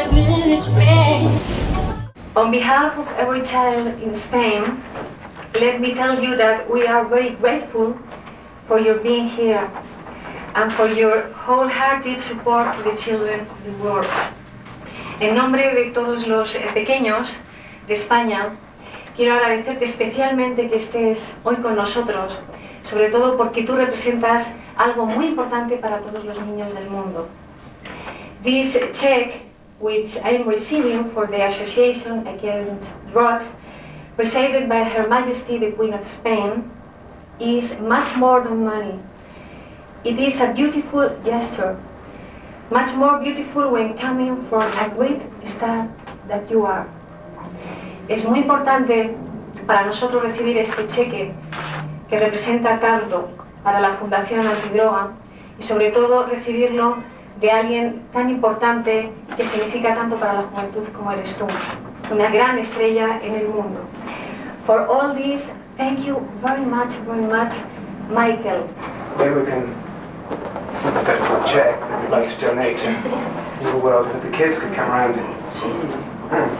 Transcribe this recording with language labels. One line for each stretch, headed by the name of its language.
English: On behalf of every child in Spain, let me tell you that we are very grateful for your being here and for your wholehearted support to the children of the world.
Spanish: En nombre de todos los pequeños de España, quiero agradecerte especialmente que estés hoy con nosotros, sobre todo porque tú representas algo muy importante para todos los niños del mundo.
English: This check, which I am receiving for the Association Against Drugs, presided by Her Majesty the Queen of Spain, is much more than money. It is a beautiful gesture, much more beautiful when coming from a great star that you are.
Spanish: Es muy importante para nosotros recibir este cheque que representa tanto para la Fundación Antidroga y sobre todo recibirlo de alguien tan importante que significa tanto para la juventud como eres tú, una gran estrella en el mundo.
English: For all this, thank you very much, very much, Michael. Then we can, this is the bit of a check that we'd like to donate to the world that the kids could come around in.